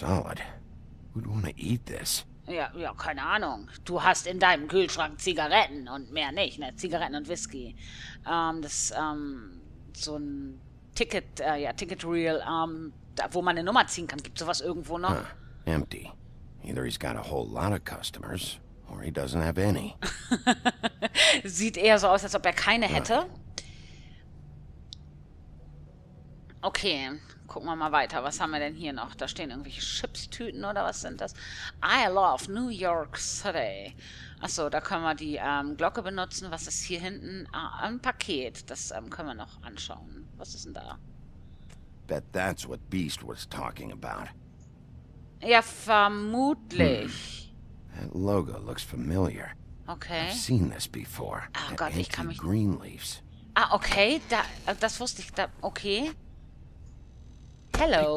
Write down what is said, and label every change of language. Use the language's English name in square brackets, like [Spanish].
[English] Solid. Who'd wanna eat this? [German] Ja, ja, keine Ahnung. Du hast in deinem Kühlschrank Zigaretten und mehr nicht, ne? Zigaretten und Whisky. So ein Ticket, Ticket Reel, da, wo man eine Nummer ziehen kann. Gibt sowas irgendwo noch? [English] Huh. Empty. Either he's got a whole lot of customers, or he doesn't have any. [German] Sieht eher so aus, als ob er keine hätte. Okay. Gucken wir mal weiter. Was haben wir denn hier noch? Da stehen irgendwelche Chips-Tüten oder was sind das? [English] I love New York City. [German] Achso, da können wir die Glocke benutzen. Was ist hier hinten? Ah, ein Paket. Das können wir noch anschauen. Was ist denn da? [English] Bet that's what Beast was talking about. [German] Ja, vermutlich. Hm. [English] That logo looks familiar. Okay. I've seen this before. [German] Ach Gott, ich kann mich... [English] Greenleafs. [German] Ah, okay. Das wusste ich. Okay. Hello.